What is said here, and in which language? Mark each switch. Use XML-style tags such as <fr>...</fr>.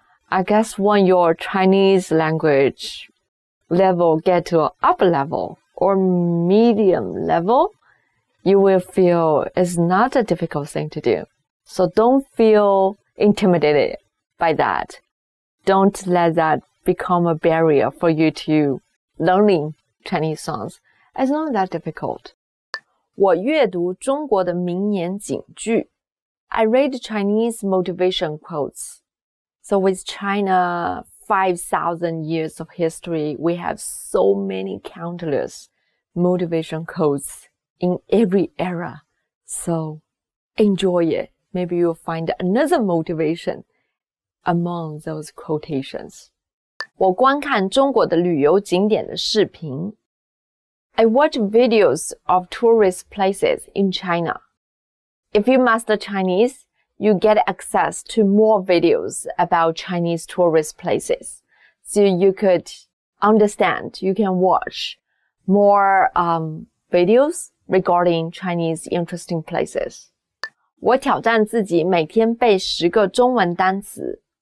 <en>I guess when your Chinese language level get to an upper level or medium level, you will feel it's not a difficult thing to do. So don't feel intimidated by that. Don't let that become a barrier for you to... Learning Chinese songs is not that difficult.</en> <zh>我阅读中国的名言警句。</zh> <en>I read Chinese motivation quotes. So with China 5,000 years of history, we have so many countless motivation quotes in every era. So enjoy it. Maybe you'll find another motivation among those quotations.</en> <zh>我观看中国的旅游景点的视频。</zh> <en>I watch videos of tourist places in China. If you master Chinese, you get access to more videos about Chinese tourist places. So you could understand, you can watch more videos regarding Chinese interesting places.</en> <zh>我挑战自己每天背十个中文单词。</zh>